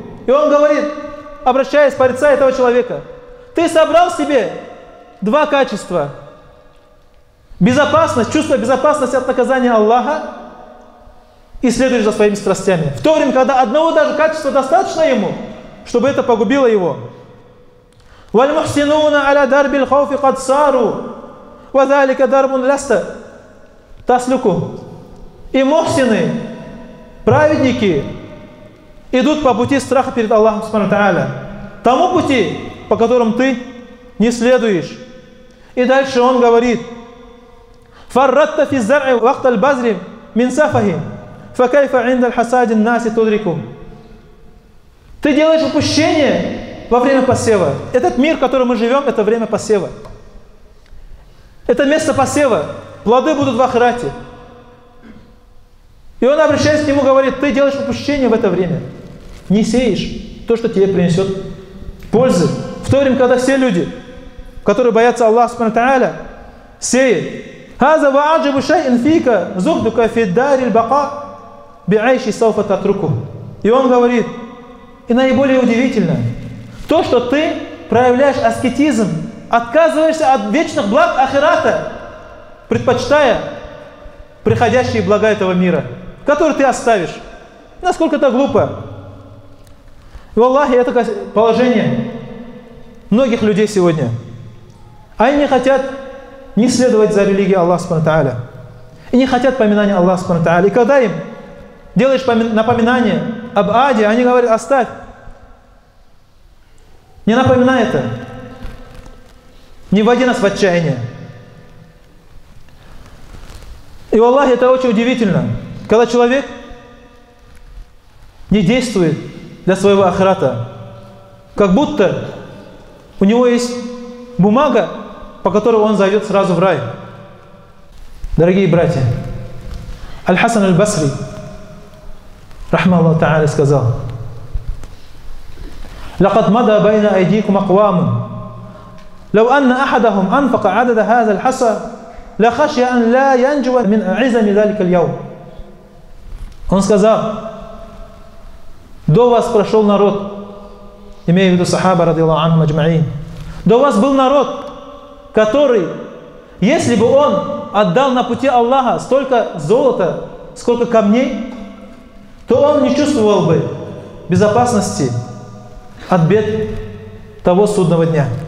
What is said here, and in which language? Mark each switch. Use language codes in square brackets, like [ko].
[ru] И он говорит, обращаясь, порицая этого человека: ты собрал себе два качества. Безопасность, чувство безопасности от наказания Аллаха и следуешь за своими страстями. В то время, когда одного даже качества достаточно ему, чтобы это погубило его. [ar] والمحسنون على درب الخوف قد صاروا وذلك درب لست تسلكه. [ru] И мухсины, праведники, идут по пути страха перед Аллахом субхана ва тааля, тому пути, по которому ты не следуешь. [ar] И дальше он говорит: فردت في الزرع وقت البذر من سفههم فكيف عند الحصاد الناس تدركهم. [ru] Ты делаешь упущение во время посева. Этот мир, в котором мы живем, это время посева. Это место посева. Плоды будут в охрате. И он, обращаясь к нему, говорит: ты делаешь упущение в это время. Не сеешь то, что тебе принесет пользы. В то время, когда все люди, которые боятся Аллаха Субхана Тааля, сеют. [ar] هذا واعجب شيء فيك زهدك في الدار البقاء بعيش سوف تتركه. [ru] И он говорит: и наиболее удивительно то, что ты проявляешь аскетизм, отказываешься от вечных благ ахирата, предпочитая приходящие блага этого мира, которые ты оставишь. Насколько это глупо. И валлахи, это положение многих людей сегодня. Они хотят не следовать за религией Аллаха Субхана Тааля. И не хотят поминания Аллаха Субхана Тааля. И когда им делаешь напоминание об аде, они говорят: оставь. Не напоминай это. Не вводи нас в отчаяние. И в Аллахе это очень удивительно. Когда человек не действует для своего ахирата, как будто у него есть бумага, по которой он зайдет сразу в рай. Дорогие братья, Аль-Хасан Аль-Басри, рахма Аллаху Та'аля, сказал: [ar] لقد مضى بين أيديكم أقوام لو أن أحدهم أنفق عدد هذا الحصى لخشي أن لا ينجو من عزم ذلك اليوم. [ru] Он сказал: до вас прошел народ, имея в виду сахаба [ar] رضي الله عنهم أجمعين, [ru] до вас был народ, который, если бы он отдал на пути Аллаха столько золота, сколько камней, то он не чувствовал бы безопасности от бед того судного дня.